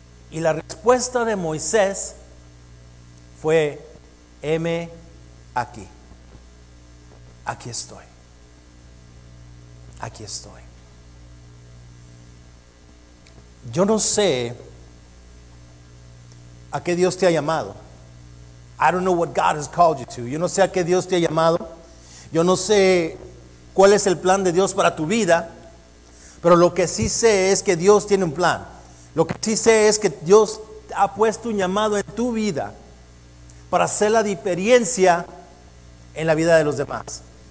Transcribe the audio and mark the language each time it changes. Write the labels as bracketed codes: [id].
[es] Y la respuesta de Moisés fue, heme aquí, aquí estoy, aquí estoy. Yo no sé ¿A qué Dios te ha llamado? [en] I don't know what God has called you to. [es] Yo no sé a qué Dios te ha llamado. Yo no sé cuál es el plan de Dios para tu vida. Pero lo que sí sé es que Dios tiene un plan. Lo que sí sé es que Dios ha puesto un llamado en tu vida para hacer la diferencia en la vida de los demás.